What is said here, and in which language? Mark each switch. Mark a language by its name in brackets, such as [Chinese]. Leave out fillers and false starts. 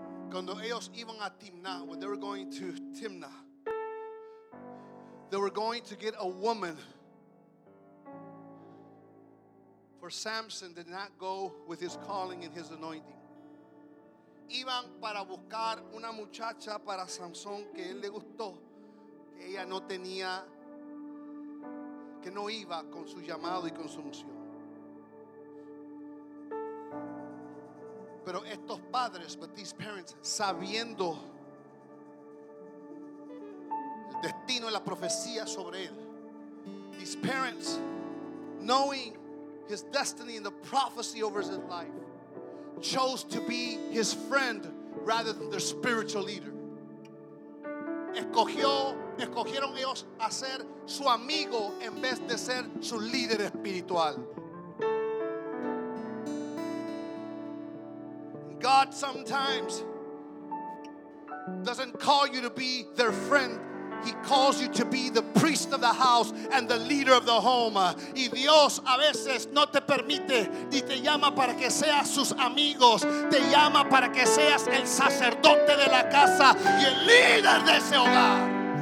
[Spanish] Cuando ellos iban a Timnah, [English] when they were going to Timnah, they were going to get a woman. For Samson did not go with his calling and his anointing. [Spanish] Iban para buscar una muchacha para Samson que él le gustó, que ella no tenía, que no iba con su llamado y con su unción. Pero estos padres, [English] but these parents, [Spanish] sabiendo el destino y la profecía sobre él, [English] these parents, knowing his destiny and the prophecy over his life, chose to be his friend rather than their spiritual leader. [Spanish] Escogieron ellos a ser su amigo en vez de ser su líder espiritual. [English] God sometimes doesn't call you to be their friend. He calls you to be the priest of the house and the leader of the home. [Spanish] Y Dios a veces no te permite ni te llama para que seas sus amigos. Te llama para que seas el sacerdote de la casa y el líder de ese hogar.